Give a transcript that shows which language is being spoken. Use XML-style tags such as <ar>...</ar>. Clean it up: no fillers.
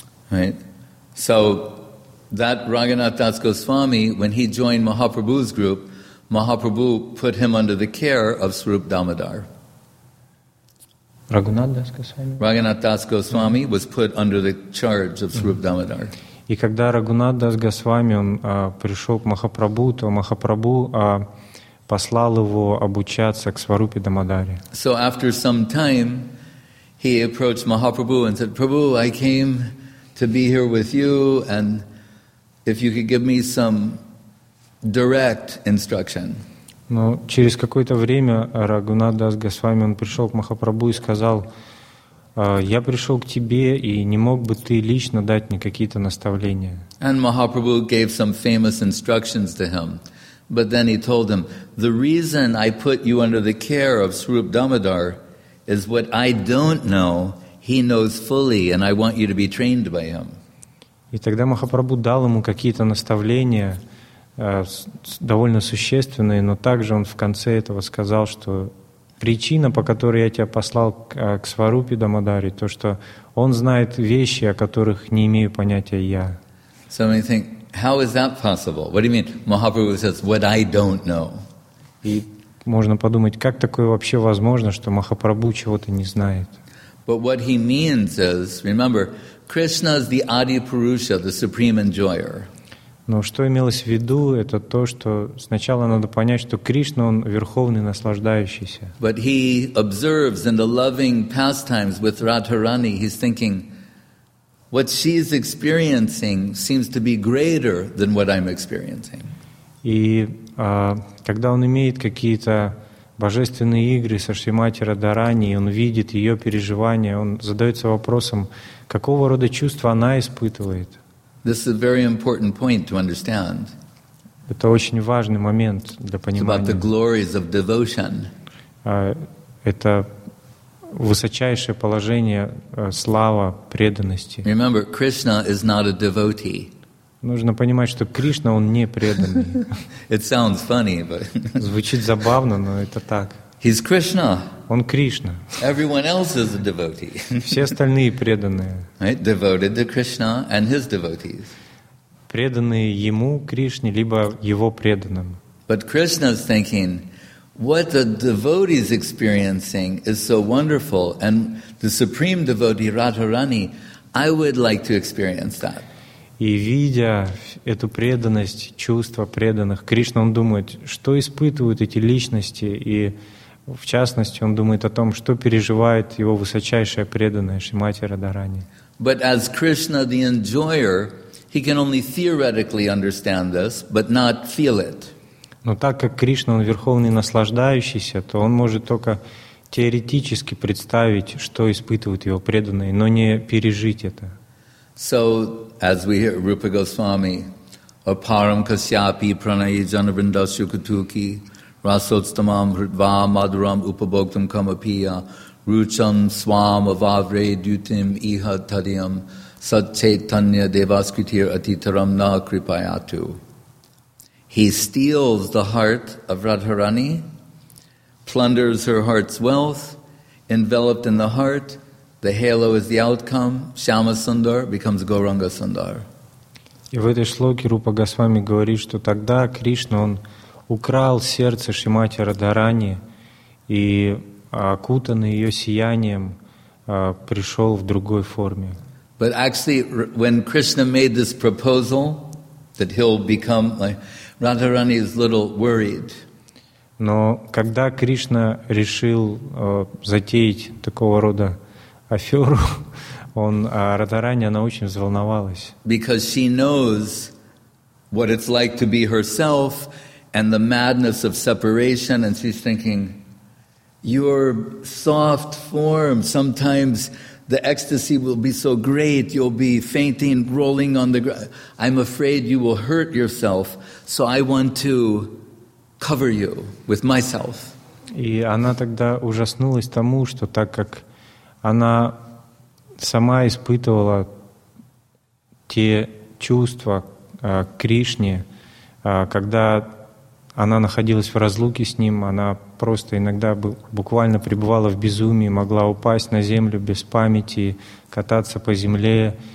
<en>Right. So that Raghunath Das Goswami, when he joined Mahaprabhu's group, Mahaprabhu put him under the care of Swarup Damodar. Raghunath Das Goswami was put under the charge of Swarup Damodar.</en> <ru>И когда Рагунат Дас Госвами пришел к Махапрабху, то Махапрабху послал его обучаться к Сварупе Дамодаре.</ru> <en>So after some time, he approached Mahaprabhu and said, "Prabhu, I came to be here with you, and if you could give me some direct instruction."</en> <ru>Но через какое-то время Рагунат Дас Госвами пришел к Махапрабху и сказал: я пришел к тебе, и не мог бы ты лично дать мне какие-то наставления?</ru> <en>And Mahaprabhu gave some famous instructions to him. But then he told him, "The reason I put you under the care of Swarup Damodar is what I don't know, he knows fully, and I want you to be trained by him."</en> <ru>И тогда Махапрабху дал ему какие-то наставления, довольно существенные, но также он в конце этого сказал, что причина, по которой я тебя послал к Сварупе Дамодаре, то, что он знает вещи, о которых не имею понятия я.</ru> <en>So you think, how is that possible? What do you mean? Mahaprabhu says, what I don't know.</en> <ru>И можно подумать, как такое вообще возможно, что Махапрабху чего-то не знает.</ru> <en>But what he means is, remember, Krishna is the Adi Purusha, the supreme enjoyer.</en> <ru>Но что имелось в виду, это то, что сначала надо понять, что Кришна, он верховный наслаждающийся.</ru> <en>But he observes in the loving pastimes with Radharani, he's thinking, what she's experiencing seems to be greater than what I'm experiencing.</en> <ru>И когда он имеет какие-то божественные игры со Шримати Радхарани, и он видит ее переживания, он задается вопросом, какого рода чувства она испытывает.</ru> <en>This is a very important point to understand.</en> <ru>Это очень важный момент для понимания.</ru> <en>It's about the glories of devotion.</en> <ru>Это высочайшее положение, слава преданности.</ru> <en>Remember, Krishna is not a devotee.</en> <ru>Нужно понимать, что Кришна, он не преданный.</ru> <en>It sounds funny, but</en> <ru>звучит забавно, но это так.</ru> <en>He's Krishna.</en> <ru>Он Кришна.</ru> <en>Everyone else is a devotee.</en> <ru>Все остальные преданные.</ru> <en>Right? Devoted to Krishna and his devotees.</en> <ru>Преданные ему, Кришне, либо его преданным.</ru> <en>But Krishna's thinking, what the devotee is experiencing is so wonderful, and the supreme devotee Radharani, I would like to experience that.</en> <ru>И видя эту преданность, чувство преданных, Кришна, он думает, что испытывают эти личности, и в частности, он думает о том, что переживает его высочайшая преданная Шримати Радхарани.</ru> <en>But as Krishna the enjoyer, he can only theoretically understand this, but not feel it.</en> <ru>Но так как Кришна, он верховный наслаждающийся, то он может только теоретически представить, что испытывают его преданные, но не пережить это.</ru> <en>So, as we hear Rupa Goswami,</en> <sa>Aparam kasyapi pranayi janavrindasya kutuki, Rasotstamam hrutva madhuram upabhoktam kamapiya rucham swam avavre dutim iha tadiyam satchaitanya devaskritir atitaram na kripayatu.</sa> <en>He steals the heart of Radharani, plunders her heart's wealth, enveloped in the heart, the halo is the outcome, Shama Sundar becomes Gauranga Sundar.</en> <ru>И в этой шлоке Рупа Госвами говорит, что тогда Кришна, он украл сердце Шримати Радхарани и, окутанный ее сиянием, пришел в другой форме.</ru> <en>But actually, when Krishna made this proposal that he'll become, like, Radharani is a little worried.</en> <ru>Но когда Кришна решил затеять такого рода аферу, он, Радхарани, она очень взволновалась.</ru> <en>Because she knows what it's like to be herself and the madness of separation, and she's thinking, your soft form, sometimes the ecstasy will be so great, you'll be fainting, rolling on the ground. I'm afraid you will hurt yourself, so I want to cover you with myself.</en> <ru>И она тогда ужаснулась тому, что так как она сама испытывала те чувства к Кришне, когда она находилась в разлуке с ним, она просто иногда буквально пребывала в безумии, могла упасть на землю без памяти, кататься по земле.</ru>